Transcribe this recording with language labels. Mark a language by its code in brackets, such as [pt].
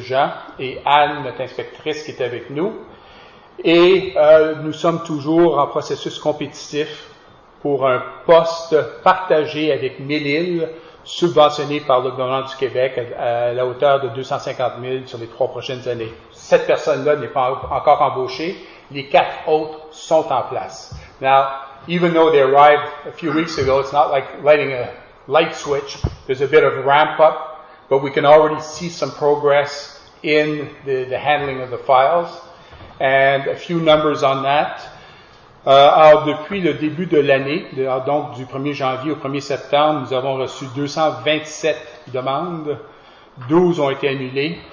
[fr] Jean, et Anne, notre inspectrice, qui est avec nous. Et nous sommes toujours en processus compétitif pour un poste partagé avec Mille-Îles, subventionné par le gouvernement du Québec à la hauteur de 250 000 sur les 3 prochaines années. Cette personne-là n'est pas encore embauchée. Les 4 autres sont en place. [en] Now, even though they arrived a few weeks ago, it's not like lighting a light switch. There's a bit of ramp up, but we can already see some progress in the handling of the files. And a few numbers on that. [fr] Alors, depuis le début de l'année, donc du 1er janvier au 1er septembre, nous avons reçu 227 demandes, 12 ont été annulées.